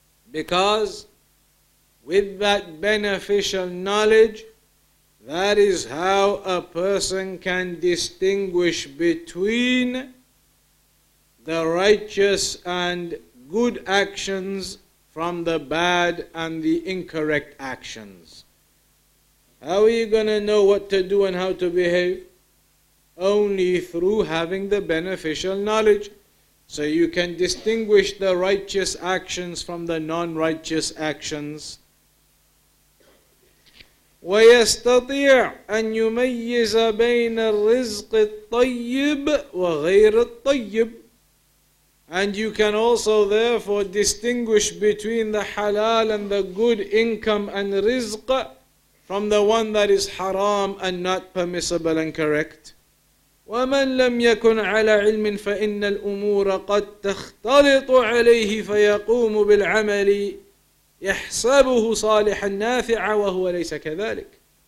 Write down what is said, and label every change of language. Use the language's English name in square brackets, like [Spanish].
[English] Because with that beneficial knowledge, that is how a person can distinguish between the righteous and good actions from the bad and the incorrect actions. How are you going to know what to do and how to behave? Only through having the beneficial knowledge. So you can distinguish the righteous actions from the non-righteous actions. [Arabic] ويستطيع أن يميز بين الرزق الطيب وغير الطيب. [English] And you can also therefore distinguish between the halal and the good income and rizq from the one that is haram and not permissible and correct. [Arabic] وَمَنْ لَمْ يَكُنْ عَلَى عِلْمٍ فَإِنَّ الْأُمُورَ قَدْ تَخْتَلِطُ عَلَيْهِ فَيَقُومُ بِالْعَمَلِ يَحْسَبُهُ صَالِحًا نَافِعًا وَهُوَ لَيْسَ كَذَلِكَ.